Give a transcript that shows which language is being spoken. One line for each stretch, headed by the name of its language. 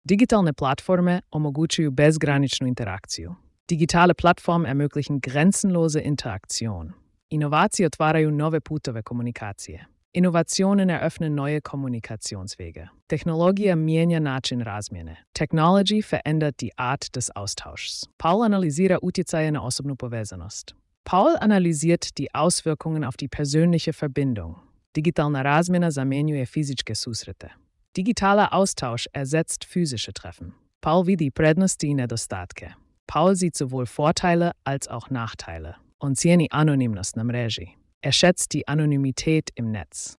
Croatian: Digitalne platforme omogućuju bezgraničnu interakciju.
German: Digitale platformen ermöglichen grenzenlose Interaktion.
Croatian: Inovacije otvaraju nove putove komunikacije.
German: Innovationen eröffnen neue Kommunikationswege.
Croatian: Technologija mijenja način razmjene.
German: Technology verändert die Art des Austauschs.
Croatian: Paul analizira utjecaje na osobnu povezanost.
German: Paul analysiert die Auswirkungen auf die persönliche Verbindung.
Croatian: Digitalna razmjena zamjenjuje fizičke susrete.
German: Digitaler Austausch ersetzt physische Treffen.
Croatian: Paul vidi prednosti i nedostatke.
German: Paul sieht sowohl Vorteile als auch Nachteile.
Croatian: On cijeni anonimnost na mreži.
German: Er schätzt die Anonymität im Netz.